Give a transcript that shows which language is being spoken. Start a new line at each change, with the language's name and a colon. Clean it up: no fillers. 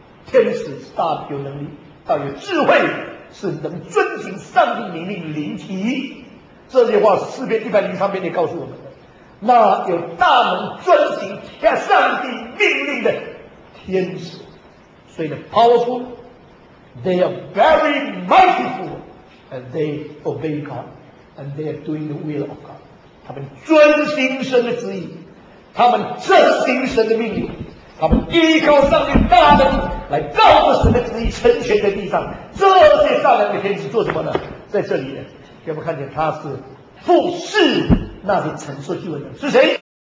Chinese: 天使是大有能力，大有智慧，是能遵循上帝命令灵体。这些话是诗篇103篇里告诉我们的。那有大能遵行上帝命令的天使，所以呢，powerful，
English: They are very merciful, and they obey God, and they are doing the will of God.
Chinese: 他们遵行神的旨意，他们执行神的命令，他们依靠上帝大能来照着神的旨意成全在地上。这些善良的天使做什么呢？在这里，给我们看见他是服侍那些承受救恩的人是谁？